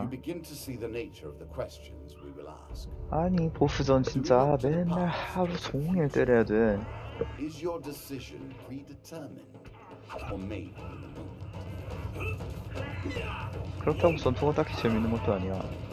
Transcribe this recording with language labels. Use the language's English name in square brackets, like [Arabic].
[English] You begin to see the nature of the questions we will ask. [Korean] 아니 보스전 진짜 맨날 하루 종일 때려야 돼. [English] Is your decision predetermined or made in the moment? [Korean] 그렇다고 전투가 딱히 재밌는 것도 아니야.